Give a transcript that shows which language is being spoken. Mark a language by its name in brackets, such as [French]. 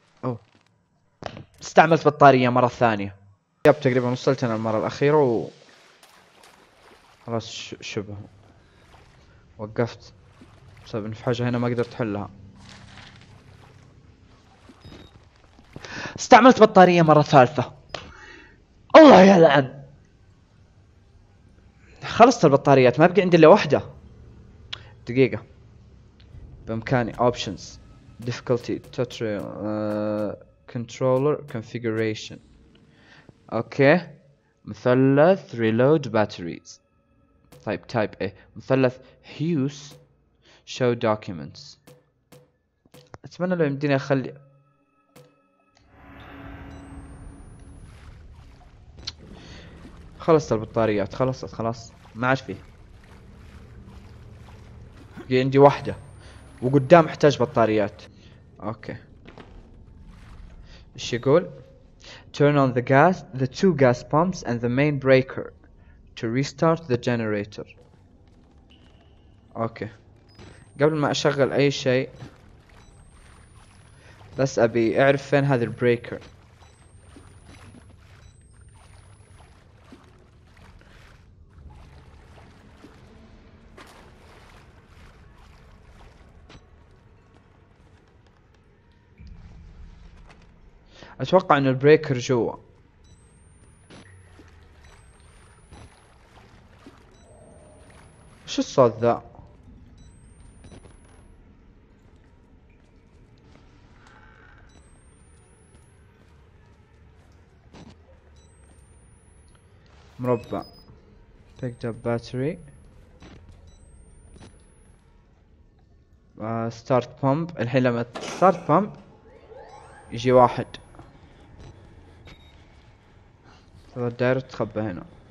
[Arabic] اوه استعملت بطارية مرة ثانية. ياب تقريبا وصلت انا المرة الاخيرة و خلاص شبه وقفت بسبب ان في حاجة هنا ما قدرت احلها. استعملت بطارية مرة ثالثة. الله يلعن. خلصت البطاريات ما بقي عندي الا واحدة. دقيقة بإمكاني [English] options difficulty tutorial controller configuration. [Arabic] اوكي مثلث [English] reload batteries. [Arabic] طيب [English] type A مثلث hues show documents. [Arabic] اتمنى لو يمديني اخلي خلصت البطاريات. خلصت خلاص ما عاد فيه. بقي عندي واحدة وقدام احتاج بطاريات. اوكي ايش يقول؟ [English] Turn on the gas, the two gas pumps and the main breaker to restart the generator. [Arabic] اوكي قبل ما اشغل اي شيء بس ابي اعرف فين هذا البريكر. اتوقع ان البريكر جوا. شو الصوت ذا؟ مربع [English] picked up battery start pump. [Arabic] الحين لما [English] start pump [Arabic] يجي واحد. هذا الدائرة تخبى هنا.